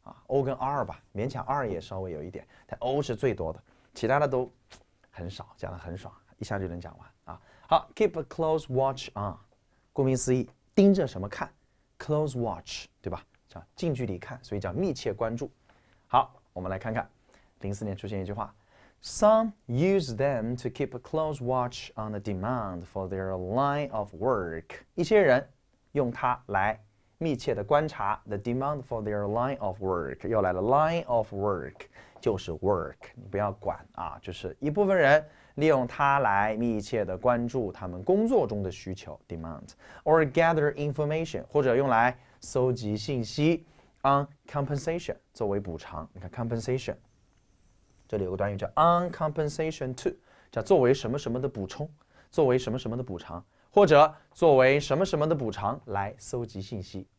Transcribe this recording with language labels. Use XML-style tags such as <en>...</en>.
<zh>O 跟 R 吧，勉强 R 也稍微有一点，但 O 是最多的，其他的都很少，讲得很爽，一下就能讲完啊。好，</zh> <en>keep a close watch on，</en> <zh>顾名思义，盯着什么看，</zh> <en>close watch，</en> <zh>对吧？叫近距离看，所以叫密切关注。好，我们来看看，04年出现一句话，</zh> <en>Some use them to keep a close watch on the demand for their line of work。</en> <zh>一些人用它来密切的观察</zh> <en>the demand for their line of work。</en> <zh>又来了，</zh> <en>line of work</en> <zh>就是 work，你不要管啊，就是一部分人利用它来密切的关注他们工作中的需求 demand，</zh> <en>or gather information</en> <zh>或者用来搜集信息。</zh> <en>On compensation</en> <zh>作为补偿，你看 compensation，这里有个短语叫</zh> <en>on compensation to，</en> <zh>叫作为什么什么的补充，作为什么什么的补偿，或者作为什么什么的补偿来搜集信息。</zh>